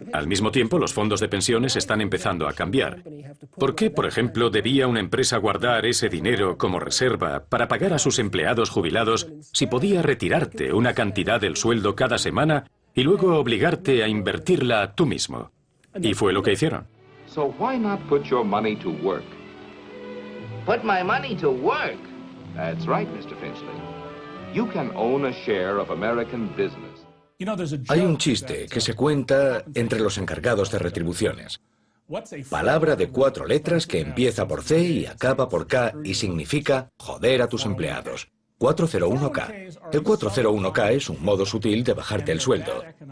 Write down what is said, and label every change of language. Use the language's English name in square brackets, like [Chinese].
[Spanish] Al mismo tiempo, los fondos de pensiones están empezando a cambiar. ¿Por qué, por ejemplo, debía una empresa guardar ese dinero como reserva para pagar a sus empleados jubilados si podía retirarte una cantidad del sueldo cada semana y luego obligarte a invertirla tú mismo? Y fue lo que hicieron. [English] So why not put your money to work? Put my money to work. That's right, Mr. Finchley. You can own a share of American business. [Spanish] Hay un chiste que se cuenta entre los encargados de retribuciones. Palabra de cuatro letras que empieza por C y acaba por K y significa joder a tus empleados. 401K. El 401K es un modo sutil de bajarte el sueldo.